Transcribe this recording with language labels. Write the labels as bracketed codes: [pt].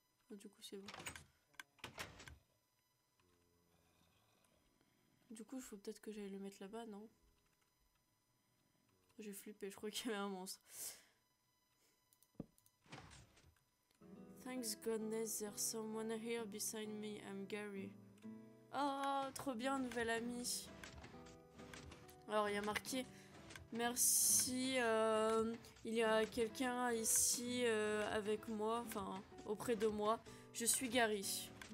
[fr] Du coup, c'est bon. Du coup, il faut peut-être que j'aille le mettre là-bas, non? J'ai flippé, je crois qu'il y avait un monstre. [en] Thanks goodness there's someone here beside me. I'm Gary. [fr] Oh, trop bien, nouvel ami. Alors, il y a marqué merci. Il y a quelqu'un ici avec moi, enfin, auprès de moi. Je suis Gary.